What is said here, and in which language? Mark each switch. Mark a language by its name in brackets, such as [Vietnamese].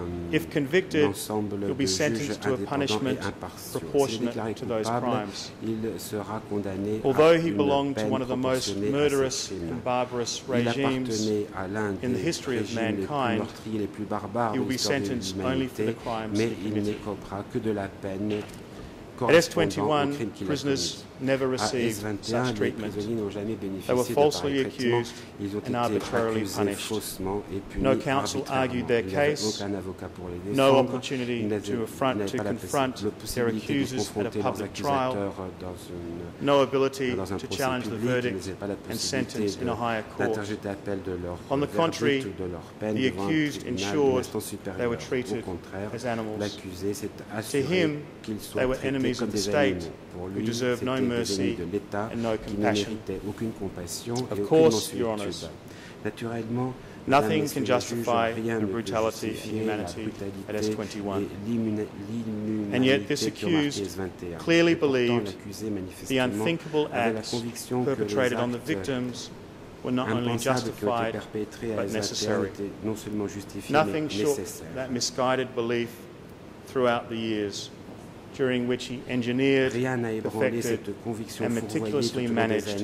[English] If convicted, he'll be sentenced to a punishment proportionate to those crimes. Although he belonged to one of the most murderous and barbarous regimes in the history of mankind, he'll be sentenced only for the crimes he committed. [French] correspondant au crime qu'il a commis. À S21, les prisonniers n'ont jamais bénéficié de pareil traitement. Ils ont été accusés faussement et punis arbitrairement. Aucun avocat pour les défendre. Ils n'avaient pas la possibilité de confronter leurs accusateurs dans un procès public. Ils n'avaient pas la possibilité d'interjeter appel de leur verdict ou de leur peine devant un tribunal ou une instance supérieure. Au contraire, l'accusé s'est assuré qu'ils soient traités comme des animaux. Pour lui, c'était des ennemis de l'État qui ne méritaient aucune compassion et aucune mansuétude. Naturellement, rien ne peut justifier la brutalité et l'inhumanité de Marquez 21. Pourtant, l'accusé manifestement avait la conviction que les actes impensables qui ont été perpétrés à les acteurs étaient non seulement justifiés, mais nécessaires. [English] That misguided belief throughout the years, during which he engineered, perfected, and meticulously managed